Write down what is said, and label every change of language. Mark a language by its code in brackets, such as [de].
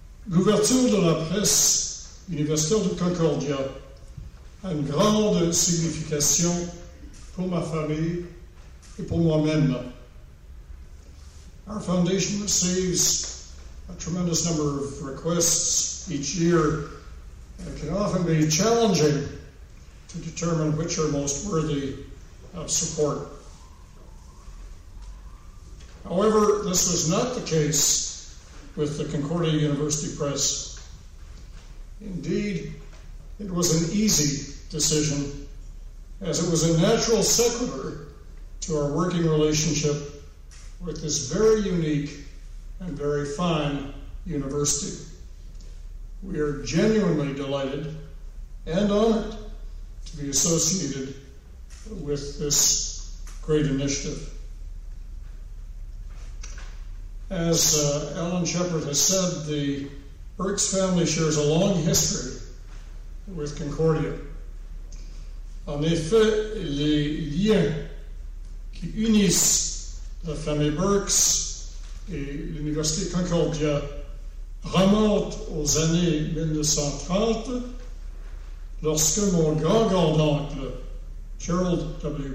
[fr] L'ouverture de la presse universitaire de Concordia a une grande signification pour ma famille et pour moi-même. [en] Our foundation receives a tremendous number of requests each year, and it can often be challenging to determine which are most worthy of support. However, this was not the case with the Concordia University Press. Indeed, it was an easy decision, as it was a natural sequitur to our working relationship with this very unique and very fine university. We are genuinely delighted and honored to be associated with this great initiative. As Alan Shepard has said, the Erks family shares a long history with Concordia. [fr] En effet, les liens qui unissent la famille Berks et l'Université Concordia remontent aux années 1930, lorsque mon grand-grand-oncle, Gerald W.